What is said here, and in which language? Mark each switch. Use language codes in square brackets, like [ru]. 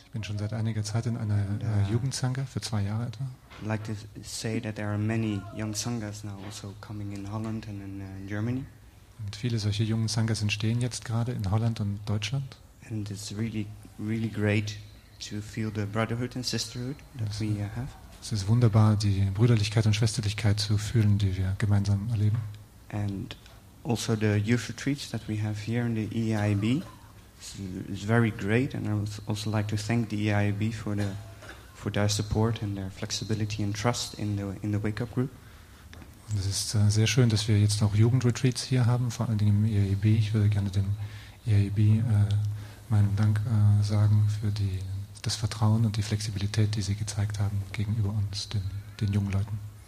[de] Ich bin schon seit einiger Zeit in einer Jugendsangha für 2 Jahre etwa. [en] I'd like to say that there are many young sanghas now also coming in Holland and in Germany. [de] Und viele solche jungen Sanghas entstehen jetzt gerade in Holland und Deutschland. [en] And it's really, really great to feel the brotherhood and sisterhood that we have. [de] Es ist wunderbar, die Brüderlichkeit und Schwesterlichkeit zu fühlen, die wir gemeinsam erleben. [en] And also the youth retreats that we have here in the EIB is very great, and I would also like to thank the EIB for their support and their flexibility and trust in the wake up group. [de] Und es ist sehr schön, dass wir jetzt auch Jugendretreats hier haben, vor allen Dingen im EIB. Ich würde gerne dem EIB meinen Dank sagen für das Vertrauen und die Flexibilität, die sie gezeigt haben gegenüber uns, den jungen Leuten.